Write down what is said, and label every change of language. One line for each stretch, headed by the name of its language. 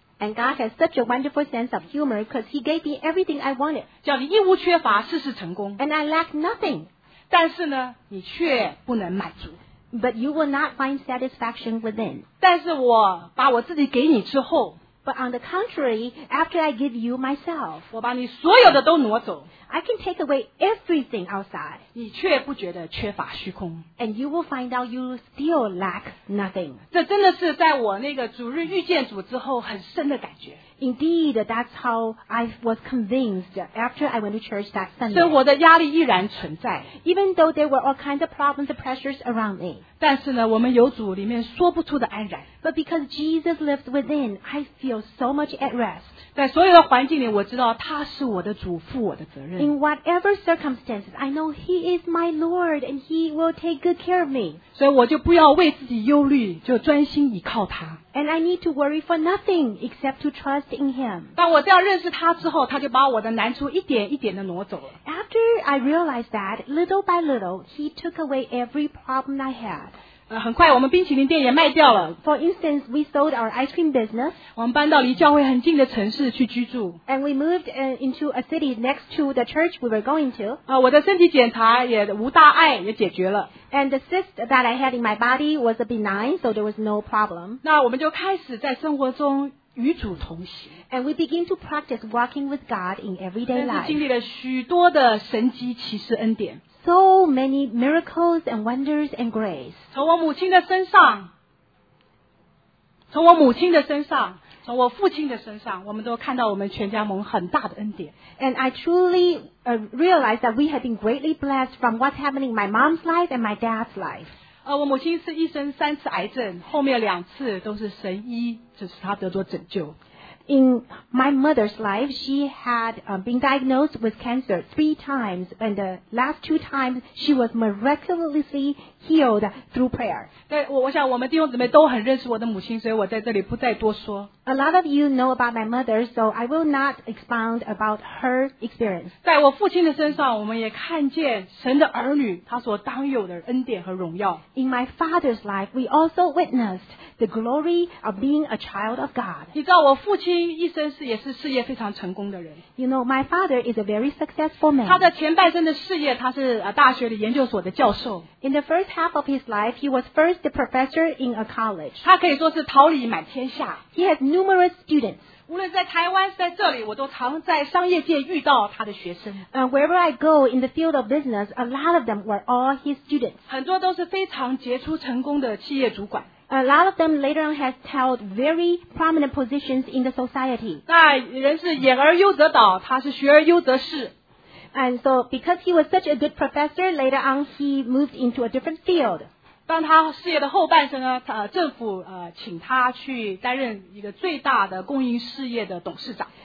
English: And God has such a wonderful sense of humor because He gave me everything I wanted.
Chinese: 叫你一无缺乏，事事成功。
English: And I lack nothing.
Chinese: 但是呢，你却不能满足。
English: But you will not find satisfaction within.
Chinese: 但是我把我自己给你之后。
English: But on the contrary, after I give you myself,
Chinese: 我把你所有的都挪走
English: I can take away everything outside.
Chinese: 你却不觉得缺乏虚空
English: And you will find out you still lack nothing.
Chinese: 这真的是在我那个主日遇见主之后很深的感觉
English: Indeed, that's how I was convinced after I went to church that Sunday.
Chinese: 生活的压力依然存在
English: Even though there were all kinds of problems and pressures around me.
Chinese: 但是呢，我们有主里面说不出的安然
English: But because Jesus lives within, I feel so much at rest.
Chinese: 在所有的环境里，我知道他是我的主，负我的责任。
English: In whatever circumstances, I know He is my Lord, and He will take good care of me.
Chinese: 所以我就不要为自己忧虑，就专心倚靠他。
English: And I need to worry for nothing except to trust in Him.
Chinese: 当我这样认识他之后，他就把我的难处一点一点的挪走了。
English: After I realized that, little by little, He took away every problem I had.
Chinese: 很快我们冰淇淋店也卖掉了
English: For instance, we sold our ice cream business.
Chinese: 我们搬到离教会很近的城市去居住
English: And we moved into a city next to the church we were going to.
Chinese: 我的身体检查也无大碍也解决了
English: And the cyst that I had in my body was a benign, so there was no problem.
Chinese: 那我们就开始在生活中与主同行
English: And we begin to practice walking with God in everyday life.
Chinese: 但是经历了许多的神迹奇事恩典
English: So many miracles and wonders and grace.
Chinese: 从我母亲的身上，从我母亲的身上，从我父亲的身上，我们都看到我们全家蒙很大的恩典。
English: And I truly realized that we have been greatly blessed from what's happening in my mom's life and my dad's life.
Chinese: 我母亲是一生三次癌症，后面两次都是神医，就是她得到拯救。
English: In my mother's life, she had been diagnosed with cancer 3 times, and the last 2 times, she was miraculously healed through prayer.
Chinese: 对，我想我们弟兄姊妹都很认识我的母亲，所以我在这里不再多说。
English: A lot of you know about my mother, so I will not expound about her experience.
Chinese: 在我父亲的身上，我们也看见神的儿女他所当有的恩典和荣耀。
English: In my father's life, we also witnessed the glory of being a child of God.
Chinese: 你知道我父亲一生是也是事业非常成功的人。
English: You know, my father is a very successful man.
Chinese: 他的前半生的事业，他是大学的研究所的教授。
English: In the first half of his life, he was first a professor in a college.
Chinese: 他可以说是桃李满天下。
English: He has numerous students.
Chinese: 无论在台湾在这里我都常在商业界遇到他的学生。
English: Wherever I go in the field of business, a lot of them were all his students.
Chinese: 很多都是非常杰出成功的企业主管。
English: A lot of them later on has held very prominent positions in the society.
Chinese: 那人是言而优则导，他是学而优则仕。
English: And so because he was such a good professor, later on he moved into a different field.
Chinese: 当他事业的后半生呢，政府请他去担任一个最大的供应事业的董事长。